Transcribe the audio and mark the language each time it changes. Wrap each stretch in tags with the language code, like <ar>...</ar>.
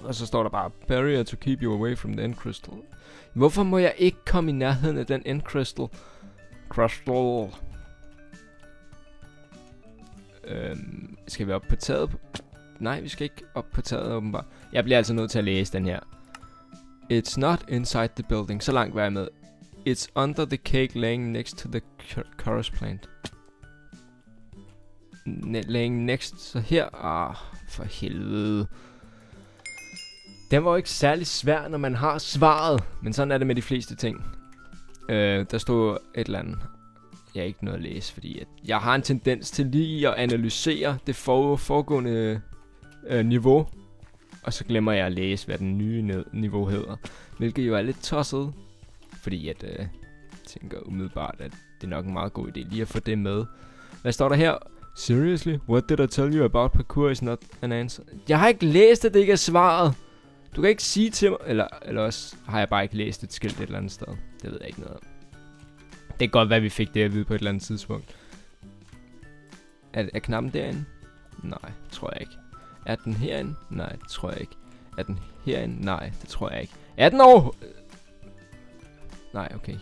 <da>Og så står der bare,</da> <en>barrier to keep you away from the end crystal.</en> <da>Hvorfor må jeg ikke komme i nærheden af den end crystal? Crystal. Skal vi op på taget? Nej, vi skal ikke op på taget åbenbart. Jeg bliver altså nødt til at læse den her.</da> <en>It's not inside the building.</en> <da>Så langt var jeg med.</da> <en>It's under the cake laying next to the chorus plant. Laying next,</en> <da>så her. Ah, for helvede. Den var jo ikke særlig svær, når man har svaret. Men sådan er det med de fleste ting. Der stod et eller andet. Jeg har ikke noget at læse, fordi jeg har en tendens til lige at analysere det foregående niveau. Og så glemmer jeg at læse, hvad den nye niveau hedder. Hvilket jo er lidt tosset. Fordi jeg tænker umiddelbart, at det er nok en meget god idé lige at få det med. Hvad står der her?</da> <en>Seriously? What did I tell you about parkour is not an answer?</en> <da>Jeg har ikke læst, at det ikke er svaret. Du kan ikke sige til mig, eller også har jeg bare ikke læst et skilt et eller andet sted. Det ved jeg ikke noget om. Det er godt, hvad vi fik det at vide på et eller andet tidspunkt. Er knappen derinde? Nej, tror jeg ikke. Er den herinde? Nej, det tror jeg ikke. Er den herinde? Nej, det tror jeg ikke. Er den over? Nej, okay.</da>